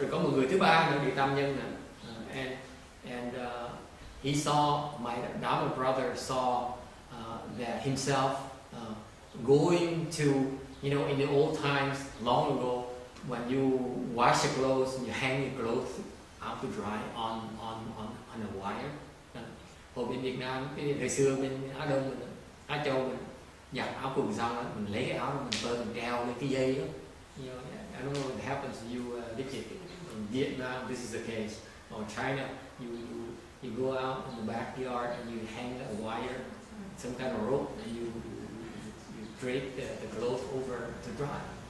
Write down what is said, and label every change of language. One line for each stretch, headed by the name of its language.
Vietnamese: Rồi có một người thứ ba nữa, vị tam nhân này.
English: He saw, my Dharma brother saw that himself going to, you know, in the old times, long ago, when you wash your clothes and you hang your clothes out to dry on a wire.
Vietnamese: Hồi bên Việt Nam, cái thời xưa bên Á Đông, Á Châu, mình giặt áo quần xong, mình lấy cái áo, mình phơi, mình đeo lên cái dây đó.
English: You know, I don't know if it happens to you, Richard. In Vietnam, this is the case. Or China, you go out in the backyard and you hang a wire, some kind of rope, and you drape the clothes over to dry.